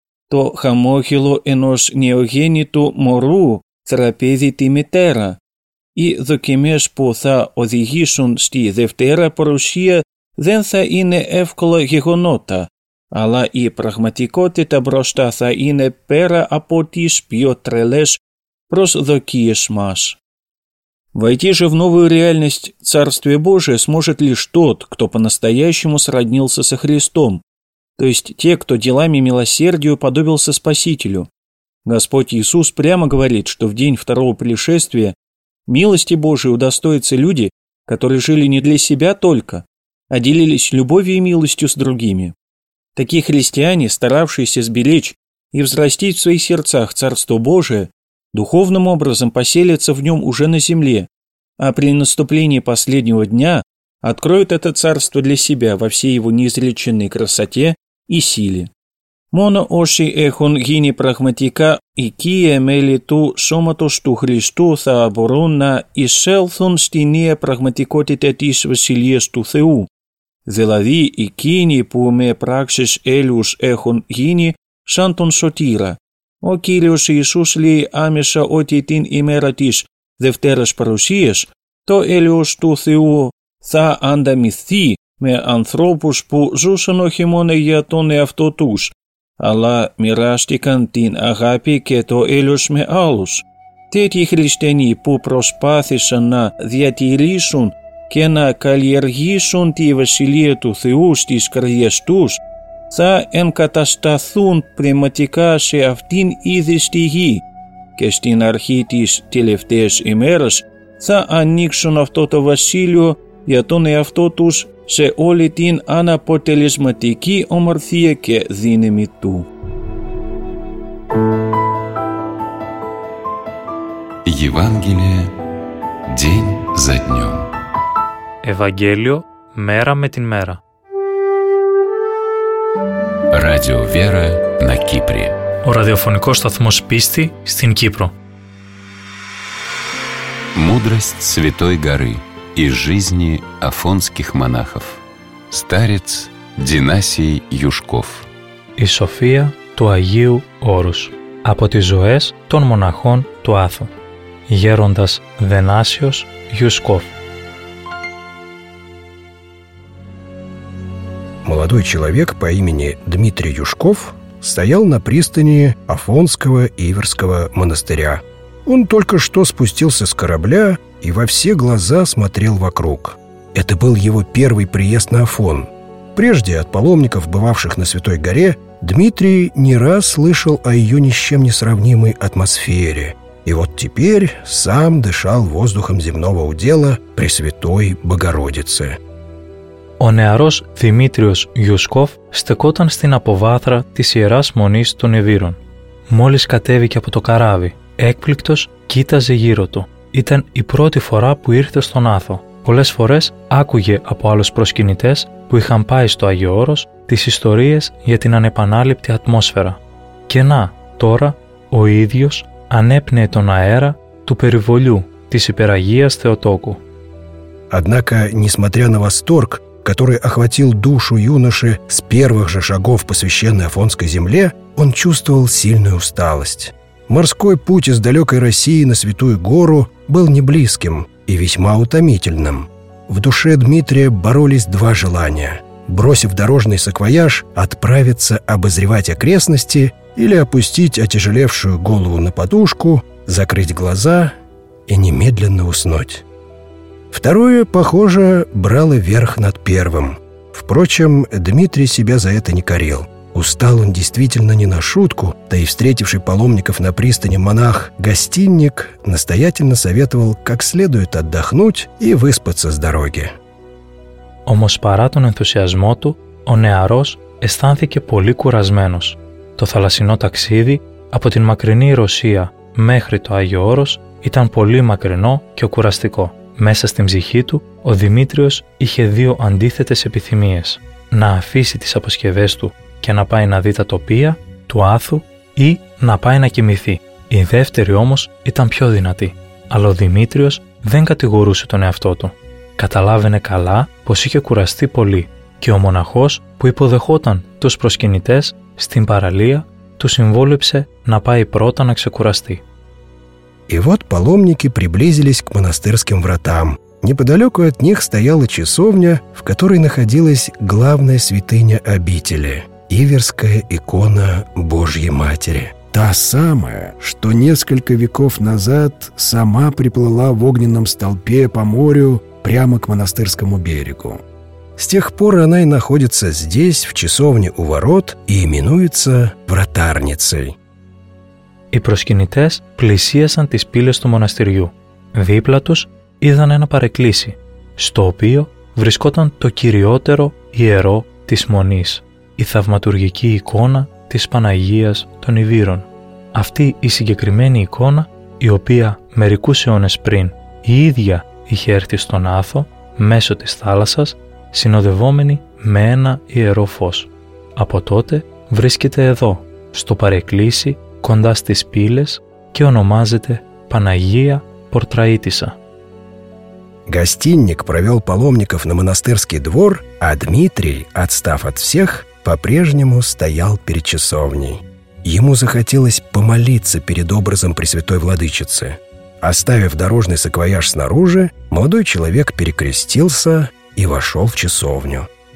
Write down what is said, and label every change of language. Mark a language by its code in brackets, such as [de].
[el] Το χαμόγελο ενός νεογέννητου μωρού θεραπεύει τη μητέρα. Οι δοκιμές που θα οδηγήσουν στη Δευτέρα Παρουσία δεν θα είναι εύκολα γεγονότα, αλλά η πραγματικότητα μπροστά θα είναι πέρα από τις πιο τρελές προσδοκίες μας. [ru] Войти же в новую реальность Царствия Божия сможет лишь тот, кто по-настоящему сроднился со Христом, то есть те, кто делами милосердия уподобился Спасителю. Господь Иисус прямо говорит, что в день второго пришествия милости Божией удостоятся люди, которые жили не для себя только, а делились любовью и милостью с другими. Такие христиане, старавшиеся сберечь и взрастить в своих сердцах Царство Божие, духовным образом поселятся в нем уже на земле, а при наступлении последнего дня откроют это царство для себя во всей его неизреченной красоте и силе. [el] Моно оши эхон гини прагматика и кие мели ту сомато шту Христу θα μπορούν να εισέλθουν στη νέα πραγματικότητα της Βασιλείας του Θεού. Δηλαδή, εκείνοι που με πράξεις έλους έχουν γίνει σαν τον Σωτήρα. Ο Κύριος Ιησούς λέει άμεσα ότι την ημέρα της Δευτέρας Παρουσίας το έλεος του Θεού θα ανταμυθεί με ανθρώπους που ζούσαν όχι μόνο για τον εαυτό τους, αλλά μοιράστηκαν την αγάπη και το έλεος με άλλους. Τέτοιοι χριστιανοί που προσπάθησαν να διατηρήσουν και να καλλιεργήσουν τη Βασιλεία του Θεού στις καρδιές τους, θα εγκατασταθούν πνευματικά σε αυτήν ήδη στη γη και στην αρχή της τελευταίας ημέρας θα ανοίξουν αυτό το βασίλειο για τον εαυτό τους σε όλη την αναποτελεσματική ομορφία και δύναμη του. Ευαγγέλιο, [ru] день за днем. [el] Ευαγγέλιο, μέρα με την μέρα. [ru] Radio Vera на Кипре. [el] Ο ραδιοφωνικός σταθμός πίστη στην Κύπρο. [ru] Мудрость Святой Горы из жизни афонских монахов. Старец Динасий Юшков. [el] Η σοφία του Αγίου Όρους από τις ζωές των μοναχών του Άθων. Γέροντας Δενάσιος Γιουσκόφ. [ru] Молодой человек по имени Дмитрий Юшков стоял на пристани Афонского Иверского монастыря. Он только что спустился с корабля и во все глаза смотрел вокруг. Это был его первый приезд на Афон. Прежде от паломников, бывавших на Святой Горе, Дмитрий не раз слышал о ее ни с чем не сравнимой атмосфере. И вот теперь сам дышал воздухом земного удела Пресвятой Богородицы. [el] Ο νεαρός Δημήτριος Γιουσκόφ στεκόταν στην αποβάθρα της Ιεράς Μονής των Ευήρων. Μόλις κατέβηκε από το καράβι, έκπληκτος κοίταζε γύρω του. Ήταν η πρώτη φορά που ήρθε στον Άθο. Πολλές φορές άκουγε από άλλους προσκυνητές που είχαν πάει στο Άγιο Όρος τις ιστορίες για την ανεπανάληπτη ατμόσφαιρα. Και να, τώρα, ο ίδιος ανέπνεε τον αέρα του περιβολιού της υπεραγίας Θεοτόκου. [ru] Однако, несмотря на восторг, который охватил душу юноши с первых же шагов по священной Афонской земле, он чувствовал сильную усталость. Морской путь из далекой России на Святую Гору был неблизким и весьма утомительным. В душе Дмитрия боролись два желания – бросив дорожный саквояж, отправиться обозревать окрестности или опустить отяжелевшую голову на подушку, закрыть глаза и немедленно уснуть. Второе, похоже, брало верх над первым. Впрочем, Дмитрий себя за это не корил. Устал он действительно не на шутку, да и встретивший паломников на пристани монах-гостинник настоятельно советовал как следует отдохнуть и выспаться с дороги. [el] Όμως παρά τον ενθουσιασμό του, ο νεαρός αισθάνθηκε πολύ κουρασμένος. Το θαλασσινό ταξίδι από την μακρινή Ρωσία μέχρι το Άγιο Όρος ήταν πολύ μακρινό και κουραστικό. Μέσα στην ψυχή του, ο Δημήτριος είχε δύο αντίθετες επιθυμίες. Να αφήσει τις αποσκευές του και να πάει να δει τα τοπία του Άθου ή να πάει να κοιμηθεί. Η δεύτερη όμως ήταν πιο δυνατή. Αλλά ο Δημήτριος δεν κατηγορούσε τον εαυτό του. Καταλάβαινε καλά πως είχε κουραστεί πολύ και ο μοναχός που υποδεχόταν τους προσκυνητές στην παραλία του συμβόλεψε να πάει πρώτα να ξεκουραστεί. [ru] И вот паломники приблизились к монастырским вратам. Неподалеку от них стояла часовня, в которой находилась главная святыня обители – Иверская икона Божьей Матери. Та самая, что несколько веков назад сама приплыла в огненном столпе по морю прямо к монастырскому берегу. С тех пор она и находится здесь, в часовне у ворот, и именуется Вратарницей. [el] Οι προσκυνητές πλησίασαν τις πύλες του μοναστηριού. Δίπλα τους είδαν ένα παρεκκλήσι, στο οποίο βρισκόταν το κυριότερο ιερό της μονής, η θαυματουργική εικόνα της Παναγίας των Ιβύρων. Αυτή η συγκεκριμένη εικόνα, η οποία μερικούς αιώνες πριν η ίδια είχε έρθει στον Άθο, μέσω της θάλασσας, συνοδευόμενη με ένα ιερό φως. Από τότε βρίσκεται εδώ, στο παρεκκλήσι, κοντά στις πύλες και ονομάζεται Παναγία Πορτραΐτισσα. [ru] Гостинник провел паломников на монастырский двор, а Дмитрий, отстав от всех, по-прежнему стоял перед часовней. Ему захотелось помолиться перед образом Пресвятой Владычицы. Оставив дорожный саквояж снаружи, молодой человек перекрестился и вошел в часовню.